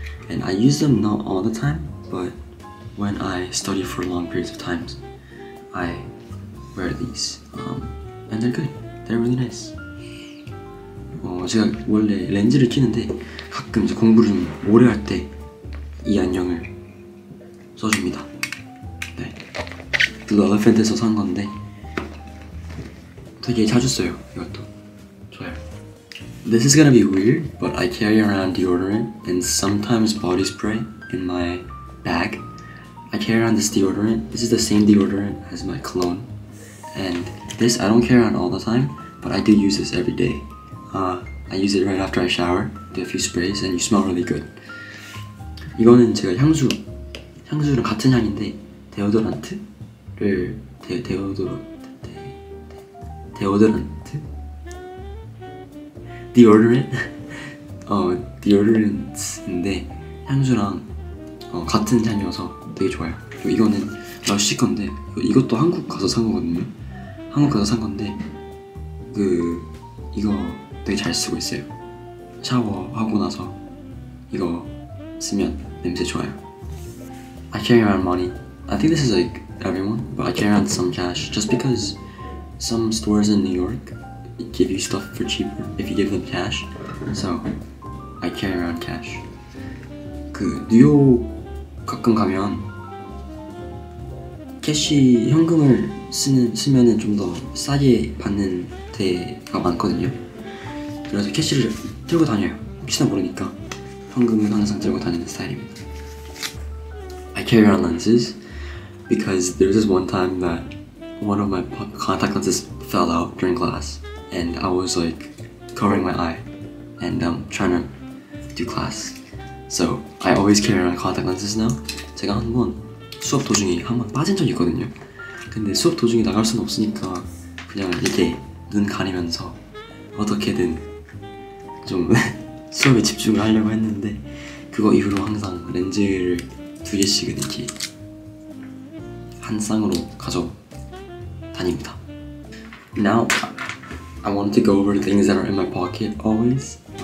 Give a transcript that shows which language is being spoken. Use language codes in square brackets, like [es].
[en] And I use them not all the time, but when I study for long periods of time, I wear these. And they're good. They're really nice. [ko] 제가 원래 렌즈를 끼는데 가끔 이제 공부를 좀 오래 할 때 이 안경을 써줍니다. 러브핀드에서 산 건데 되게 자주 써요. 이것도 좋아요. [en] This is gonna be weird, but I carry around deodorant and sometimes body spray in my bag. I carry around this deodorant. This is the same deodorant as my cologne. And this I don't carry around all the time, but I do use this every day. I use it right after I shower, do a few sprays, and you smell really good. [ko] 이거는 제가 향수, 향수랑 같은 향인데 데오드란트 deodorant? 디오드란트인데 향수랑 같은 향이어서 되게 좋아요. 그리고 이거는 러쉬 건데 이것도 한국 가서 산 거거든요. 한국 가서 산 건데 그 이거 되게 잘 쓰고 있어요. 샤워하고 나서 이거 쓰면 냄새 좋아요. [en] I carry around money. I think this is like everyone, but I carry around some cash just because some stores in New York give you stuff for cheaper if you give them cash. So I carry around cash. [ko] 그 뉴욕 가끔 가면 캐시 현금을 쓰면은 좀 더 싸게 받는 데가 많거든요. 그래서 캐시를 들고 다녀요. 혹시나 모르니까 현금을 항상 들고 다니는 스타일입니다. [en] I carry around lenses because there was this one time that one of my contact lenses fell out during class and I was like covering my eye and I'm trying to do class. So I always carry around contact lenses now. [ko] 제가 한번 수업 도중에 한번 빠진 적이 있거든요. 근데 수업 도중에 나갈 수는 없으니까 그냥 이렇게 눈 가리면서 어떻게든 좀 수업에 집중을 하려고 했는데 그거 이후로 항상 렌즈를 두 개씩은 이렇게 한 쌍으로 가져 다닙니다. [en] Now I wanted to go over the things that are in my pocket always.